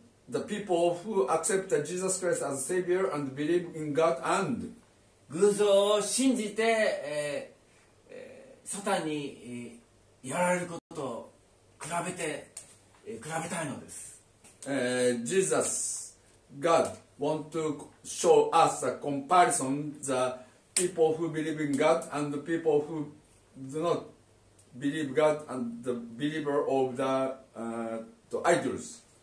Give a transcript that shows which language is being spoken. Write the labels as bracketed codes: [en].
[en] The people who accept Jesus Christ as Savior and believe in God and [ja] 偶像を信じて、サタンに、やられることと比べたいのです。 [en] Jesus, God, want to show us a comparison the people who believe in God and the people who do not believe God and the believer of the idols.